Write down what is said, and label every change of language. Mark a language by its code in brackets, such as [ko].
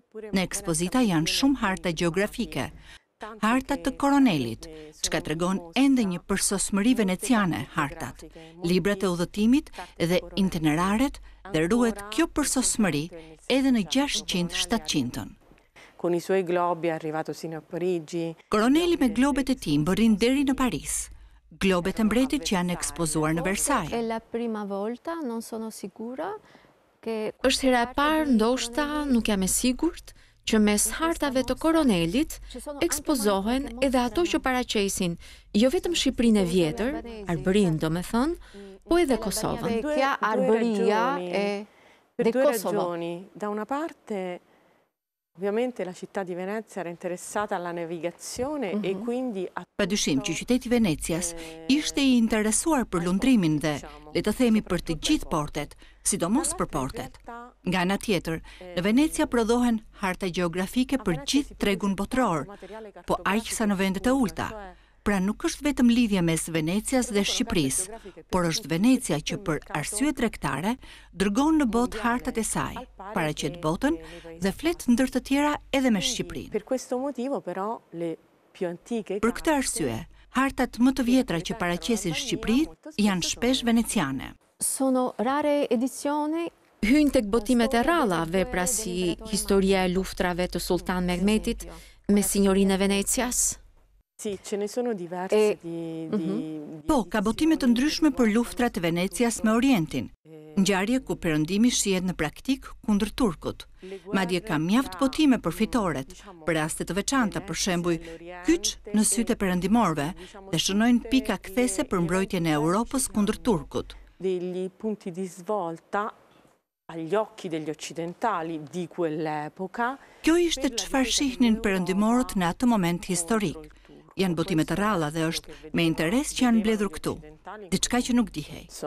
[sq] Në ekspozita janë shumë harta gjeografike, harta të Koronelit, çka tregon ende një përsosmëri veneciane hartat, librat e udhëtimit dhe itineraret dhe ruhet kjo përsosmëri edhe në 600-700-ën. [it] Con i suoi globi è arrivato sino a Parigi. [sq] Koroneli me globet e tij mbërrin deri në Paris. Globet e mbretit që janë ekspozuar në Versailles. [it] È la prima volta, non sono sicura che. [sq] Është hera e parë, ndoshta nuk jam e sigurt, që mes hartave të Koronelit ekspozohen edhe ato që paraqesin jo vetëm Shqipërinë e vjetër, Arbërin, domethënë, po edhe Kosovën. Kja Arbëria e dhe Kosovë. [it] Da una parte ovviamente la città di Venezia era interessata alla navigazione e quindi a tutto. [sq] Padyshim që qyteti Venecias ishte i interesuar për lundrimin dhe, le të themi, për të gjithë portet, sidomos për portet. Nga ana tjetër, në Venecia prodhohen harta gjeografike për gjithë tregun botror, po aqsa në vendet e ulta. Pra nuk është vetëm lidhja mes Venecias dhe Shqipërisë, por është Venecia që për arsye tregtare dërgon në botë hartat e saj, paraqet botën dhe flet ndër të tjera edhe me Shqipërinë. [it] Per questo motivo però le più antiche. [sq] Për këtë arsye, hartat më të vjetra që paraqesin Shqipërinë janë shpesh veneciane. [it] Sono rare edizioni. [sq] Hyjnë tek botimet e ralla, vepra si historia e luftrave të Sultan Mehmetit me Sinjorinë e Venecias. [it] Si, ce ne sono diverse [sq] Po, ka botime të ndryshme për luftrat të Venecias me Orientin, ngjarje ku perëndimi shihet në praktik kundër Turkut. Madje ka mjaft botime për fitoret, për raste të veçanta, për shembuj, kyç në sytë e perëndimorve, dhe shënojnë pika kthese për mbrojtjen e Europës kundër Turkut. [it] Degli punti di svolta agli occhi degli occidentali di quell'epoca. [sq] Kjo ishte çfarë shihnin perëndimorët në atë moment historik. Janë botime të ralla dhe është me interes që janë mbledhur këtu, diçka që nuk dihej.